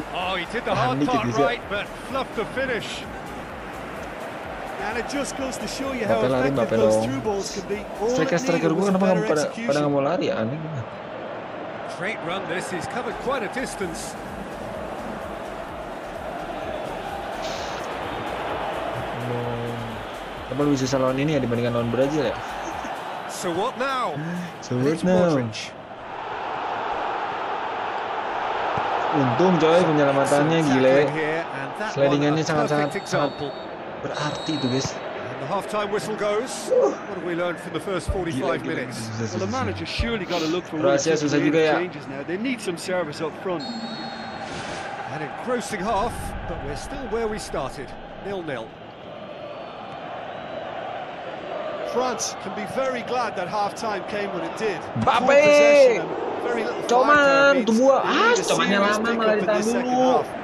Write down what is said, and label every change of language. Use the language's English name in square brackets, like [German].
[English] Oh, he did the hard part right, but fluffed the finish. And it just goes to show you Mbappe [Indonesian] lari, [English] effective those through balls can be. [Indonesian] Striker gue kenapa kamu pada nggak mau lari ya? Aneh gimana? [English] Great run this, he's covered quite a distance. [Indonesian] Apa lebih susah lawan ini ya dibandingkan lawan Brazil ya? [English] So what now? So what now? [Indonesian] Untung coy penyelamatannya gile. Sledingannya sangat-sangat berarti itu guys. [English] The half time whistle goes. What have we learned from the first 45 minutes? Well, the manager surely got to look for [Indonesian] Rahasia susah juga ya. [English] They need some service up front. An engrossing half, but we're still where we started. 0-0. France can be very glad that half time came when it did. [Indonesian] Mbappe. Coman dua. Ah, comannya lama malah ditanggung.